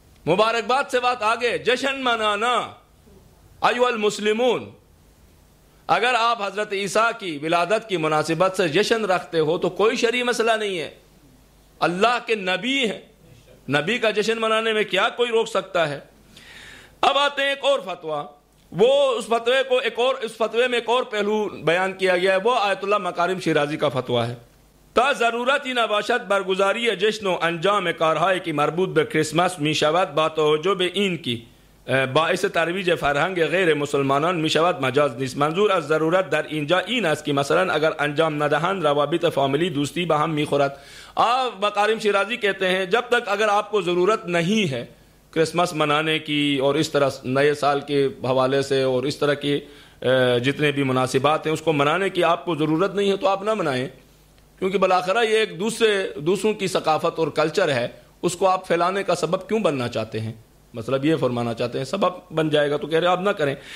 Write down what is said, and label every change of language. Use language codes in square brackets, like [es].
[ur] مبارکباد سے بات آگے، جشن منانا، ایو المسلمون، اگر آپ حضرت عیسیٰ کی ولادت کی مناسبت سے جشن رکھتے ہو تو کوئی شرعی مسئلہ نہیں ہے، اللہ کے نبی ہیں، نبی کا جشن منانے میں کیا کوئی روک سکتا ہے. اب آتے ہیں ایک اور فتویٰ، وہ اس فتوے کو ایک اور اس فتوے میں ایک اور پہلو بیان کیا گیا ہے، وہ آیت اللہ مکارم شیرازی کا فتویٰ ہے. [fa] تا ضرورت ہی نباشد برگزاری جشن و انجام کارہائے کی مربوط بے کرسمس می شود با توجب این کی باعث ترویج فرہنگ غیر مسلمانان می شود مجاز نیست. منظور از ضرورت در اینجا این است که مثلا اگر انجام ندهند روابط فاملی دوستی به هم می خورد. [ur] مکارم شیرازی کہتے ہیں جب تک اگر آپ کو ضرورت نہیں ہے کرسمس منانے کی اور اس طرح نئے سال کے حوالے سے اور اس طرح کی جتنے بھی مناسبات ہیں اس کو منانے کی آپ کو ضرورت نہیں ہے تو آپ نہ منائیں، کیونکہ بالآخرہ یہ ایک دوسروں کی ثقافت اور کلچر ہے، اس کو آپ پھیلانے کا سبب کیوں بننا چاہتے ہیں، مطلب یہ فرمانا چاہتے ہیں سبب بن جائے گا تو کہہ رہے آپ نہ کریں.